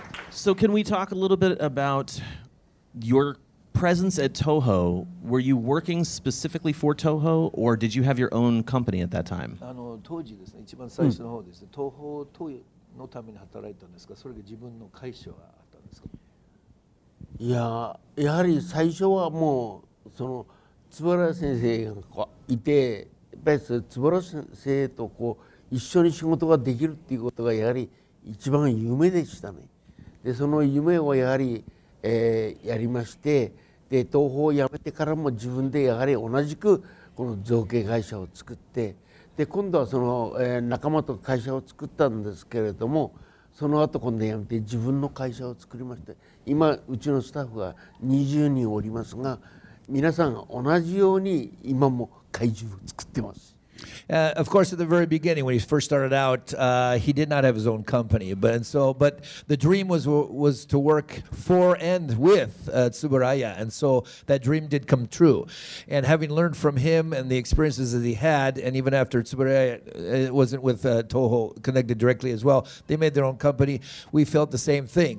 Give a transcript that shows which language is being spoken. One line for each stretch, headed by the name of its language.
English: So can we talk a little bit about your presence at Toho? Were you working specifically for Toho, or did you have your own company at that time?
Japanese: 当時ですね、一番最初の方です。東宝のために働いたんですか、それが自分の会社はあったんですか。いや、やはり最初はもうその坪原先生がいて、やっぱり坪原先生とこう一緒に仕事ができるっていうことがやはり一番夢でしたね。でその夢をやはり、やりまして、で東宝を辞めてからも自分でやはり同じくこの造形会社を作って、で今度はその、仲間と会社を作ったんですけれども、その後今度辞めて自分の会社を作りまして、今うちのスタッフが20人おりますが、皆さん同じように今も怪獣を作ってます。
English: Of course, at the very beginning, when he first started out, he did not have his own company. But the dream was to work for and with Tsuburaya, and so that dream did come true. And having learned from him and the experiences that he had, and even after Tsuburaya, it wasn't with Toho connected directly as well, they made their own company, we felt the same thing.